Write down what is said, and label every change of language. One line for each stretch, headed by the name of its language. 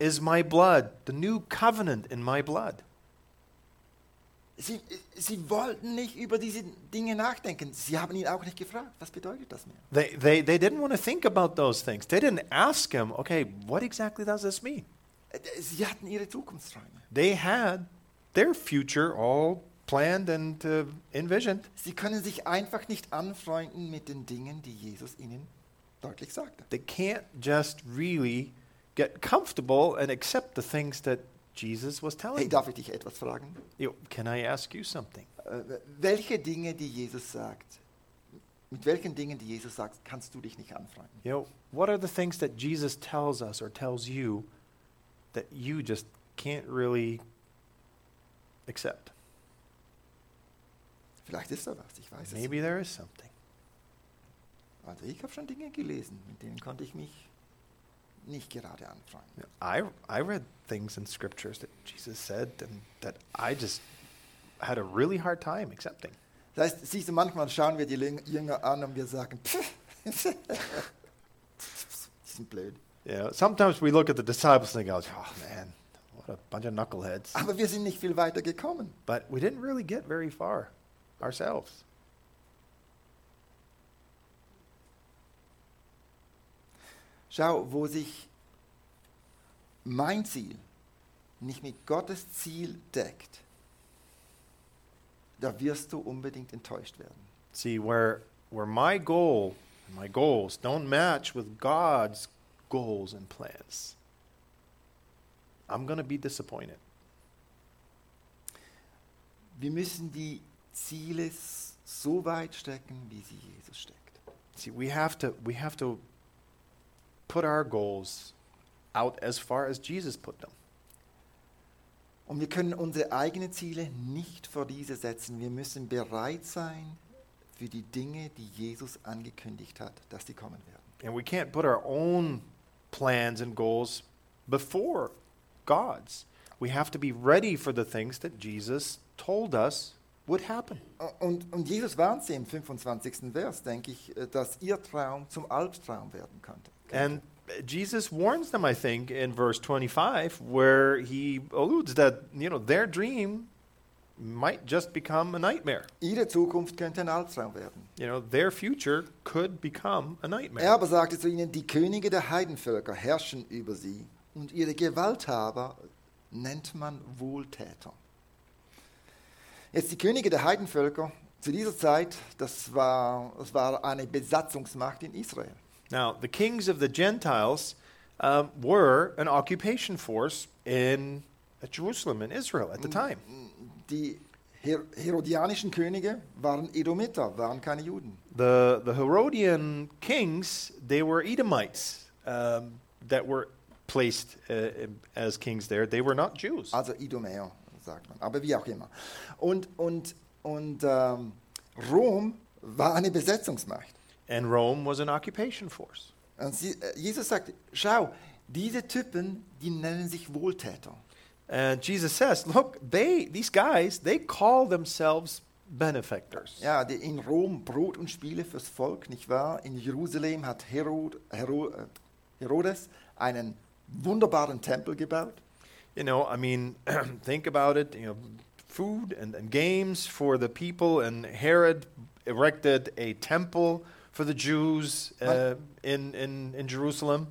English: Is my blood, the new covenant in my blood.
German: Sie wollten nicht über diese Dinge nachdenken. Sie haben ihn auch nicht gefragt, was bedeutet das mehr?
English: They didn't want to think about those things. They didn't ask him, okay, what exactly does this mean?
German: Sie hatten ihre Zukunftsträume.
English: They had their future all planned and envisioned.
German: Sie können sich einfach nicht anfreunden mit den Dingen, die Jesus ihnen deutlich sagte.
English: They can't just really get comfortable and accept the things that Jesus was telling them.
German: Hey, darf ich dich etwas fragen?
English: Yo, can I ask you something?
German: Welche Dinge, die Jesus sagt, mit welchen Dingen, die Jesus sagt, kannst du dich nicht anfreunden?
English: Yo, what are the things that Jesus tells us or tells you that you just can't really accept?
German: Vielleicht ist da was, ich weiß
English: Maybe
German: es.
English: There is something.
German: Also ich habe schon Dinge gelesen, mit denen konnte ich mich nicht gerade anfreunden.
English: I read things in scriptures that Jesus said and that I just had a really hard time accepting.
German: Das heißt, siehst du, manchmal schauen wir die Jünger an und wir sagen, die sind blöd.
English: Yeah, sometimes we look at the disciples and go, oh man, what a bunch of knuckleheads.
German: Aber wir sind nicht viel weiter gekommen.
English: But we didn't really get very far ourselves.
German: Schau, wo sich mein Ziel nicht mit Gottes Ziel deckt, da wirst du unbedingt enttäuscht werden.
English: See, where my goal, my goals don't match with God's goals and plans, I'm going to be disappointed.
German: Wir müssen die Ziele so weit stecken, wie sie Jesus steckt.
English: See, we have to put our goals out as far as Jesus put them.
German: Und wir können unsere eigenen Ziele nicht vor diese setzen. Wir müssen bereit sein für die Dinge, die Jesus angekündigt hat, dass sie kommen werden.
English: And we can't put our own plans and goals before God's. We have to be ready for the things that Jesus told us would happen.
German: Und Jesus warnt sie im 25. Vers, denke ich, dass ihr Traum zum Albtraum werden könnte.
English: And Jesus warns them, I think, in verse 25, where he alludes that, you know, their dream might just become a nightmare.
German: Ihre Zukunft könnte ein Albtraum werden.
English: You know, their future could become a nightmare.
German: Er aber sagte zu ihnen, die Könige der Heidenvölker herrschen über sie und ihre Gewalthaber nennt man Wohltäter. Jetzt die Könige der Heidenvölker, zu dieser Zeit, das war eine Besatzungsmacht in Israel.
English: Now, the kings of the Gentiles were an occupation force in Jerusalem, in Israel, at the time.
German: Die Herodianischen Könige waren Edomiter, waren keine Juden.
English: The Herodian kings, they were Edomites that were placed as kings there. They were not Jews.
German: Also Edomäer, sagt man. Aber wie auch immer. Und Rom war eine Besetzungsmacht.
English: And Rome was an occupation force.
German: Und Jesus sagt, schau, diese Typen, die nennen sich Wohltäter.
English: And Jesus says, look, these guys, they call themselves benefactors.
German: Ja, die in Rom Brot und Spiele fürs Volk, nicht wahr? In Jerusalem hat Herodes einen wunderbaren Tempel gebaut.
English: You know, I mean, think about it, you know, food and games for the people, and Herod erected a temple for the Jews in Jerusalem.